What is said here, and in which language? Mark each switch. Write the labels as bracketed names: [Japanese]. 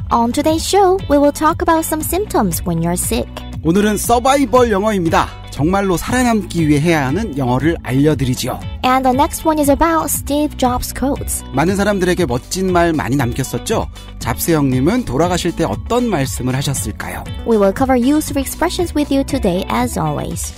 [English] On today's show, we will talk about some symptoms when you're sick. [Korean] 오늘은 서바이벌 영어입니다. 정말로 살아남기 위해 해야 하는 영어를 알려드리죠. [English] And the next one is about Steve Jobs' quotes. [Korean] 많은 사람들에게 멋진 말 많이 남겼었죠? 잡스 형님은 돌아가실 때 어떤 말씀을 하셨을까요? [English] We will cover useful expressions with you today as always.